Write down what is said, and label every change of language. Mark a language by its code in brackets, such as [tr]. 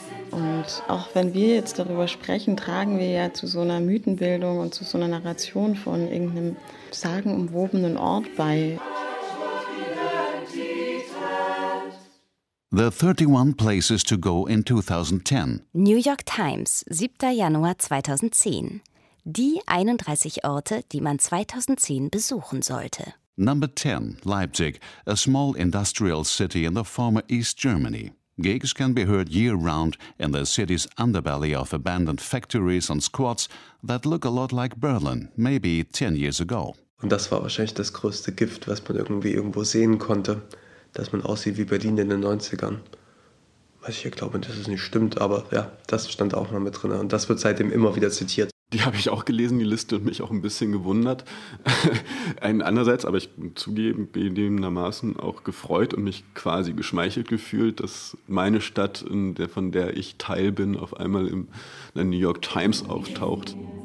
[de] Und auch wenn wir jetzt darüber sprechen, tragen wir ja zu so einer Mythenbildung und zu so einer Narration von irgendeinem sagenumwobenen Ort bei. [en] The 31 Places to Go in 2010. [de] New York Times, 7. Januar 2010. Die 31 Orte, die man 2010 besuchen sollte. [en] Number 10, Leipzig, a small industrial city in the former East Germany. Gigs can be heard year-round in the city's underbelly of abandoned factories and squats that look a lot like Berlin, maybe 10 years ago. [de] Und das war wahrscheinlich das größte Gift, was man irgendwie irgendwo sehen konnte, dass man aussieht wie Berlin in den 90ern. Was ich hier glaube, dass es nicht stimmt, aber ja, das stand auch noch mit drin. Und das wird seitdem immer wieder zitiert. Die habe ich auch gelesen, die Liste, und mich auch ein bisschen gewundert. Andererseits, aber ich zugeben, gegebenermaßen auch gefreut und mich quasi geschmeichelt gefühlt, dass meine Stadt, von der ich Teil bin, auf einmal in der New York Times auftaucht.